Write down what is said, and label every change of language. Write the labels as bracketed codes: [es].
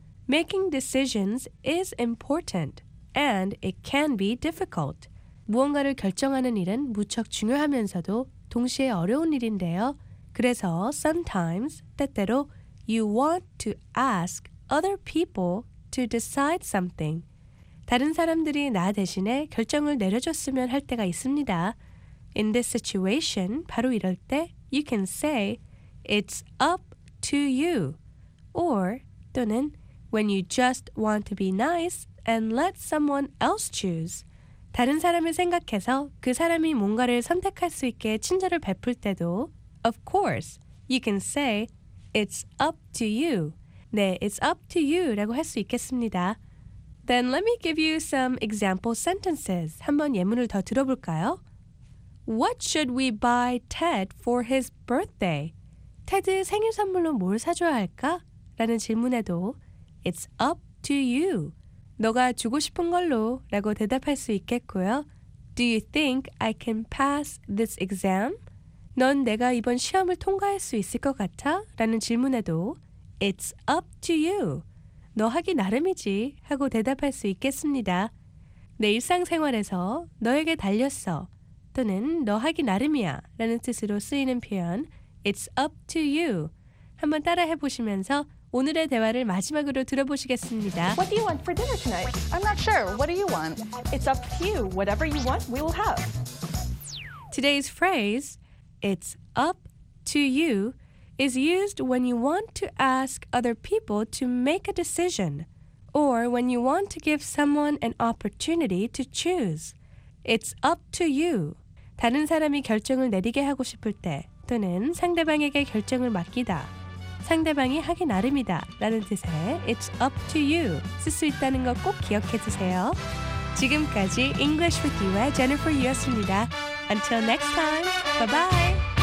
[en] Making decisions is important and it can be difficult. [ko] 무언가를 결정하는 일은 무척 중요하면서도 동시에 어려운 일인데요. [en] 그래서 sometimes, 때때로 you want to ask other people to decide something. [ko] 다른 사람들이 나 대신에 결정을 내려줬으면 할 때가 있습니다. [en] In this situation, [ko] 바로 이럴 때 [en] You can say, it's up to you. Or, [ko] 또는, [en] when you just want to be nice and let someone else choose. [ko] 다른 사람을 생각해서 그 사람이 뭔가를 선택할 수 있게 친절을 베풀 때도 [en] Of course, you can say, it's up to you. [ko] 네, [en] it's up to you [ko] 라고 할 수 있겠습니다. [en] Then let me give you some example sentences. [ko] 한번 예문을 더 들어볼까요? [en] What should we buy Ted for his birthday? [ko] 테드 생일 선물로 뭘 사줘야 할까? 라는 질문에도 [en] It's up to you. [ko] 너가 주고 싶은 걸로 라고 대답할 수 있겠고요. [en] Do you think I can pass this exam? [ko] 넌 내가 이번 시험을 통과할 수 있을 것 같아? 라는 질문에도 [en] It's up to you. [ko] 너 하기 나름이지 하고 대답할 수 있겠습니다. 내 일상생활에서 너에게 달렸어 또는 너 하기 나름이야 라는 뜻으로 쓰이는 표현 [en] It's up to you. [ko] 한번 따라해 보시면서 오늘의 대화를 마지막으로 들어보시겠습니다. [en] What do you want for dinner tonight? I'm not sure. What do you want? It's up to you. Whatever you want, we will have. Today's phrase, it's up to you, is used when you want to ask other people to make a decision or when you want to give someone an opportunity to choose. It's up to you. [ko] 다른 사람이 결정을 내리게 하고 싶을 때 또는 상대방에게 결정을 맡기다. 상대방이 하기 나름이다 라는 뜻의 [en] It's up to you [ko] 쓸 수 있다는 거 꼭 기억해 주세요. 지금까지 English with you의 Jennifer 유였습니다. [en] Until next time, bye-bye!